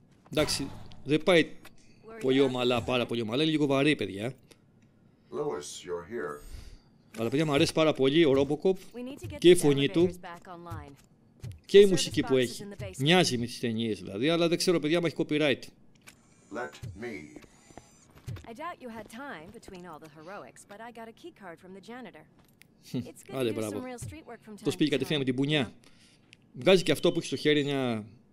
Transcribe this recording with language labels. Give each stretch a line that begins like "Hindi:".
Greek: Εντάξει. Δεν πάει πολύ ομαλά, πάρα πολύ ομαλά, είναι λίγο βαρύ, παιδιά.
English: Lewis, you're here.
Greek: Αλλά παιδιά μου αρέσει πάρα πολύ ο RoboCop και η φωνή του και η μουσική που έχει. Μοιάζει με τις ταινίες δηλαδή, αλλά δεν ξέρω παιδιά, μα έχει copyright.
English: Let me. I doubt you had time between all the heroics, but I got a key card from the janitor.
Greek: Άντε, μπράβο. Το σπίτι κατευθείαν με την μπουνιά. Βγάζει και αυτό που έχει στο χέρι, μια...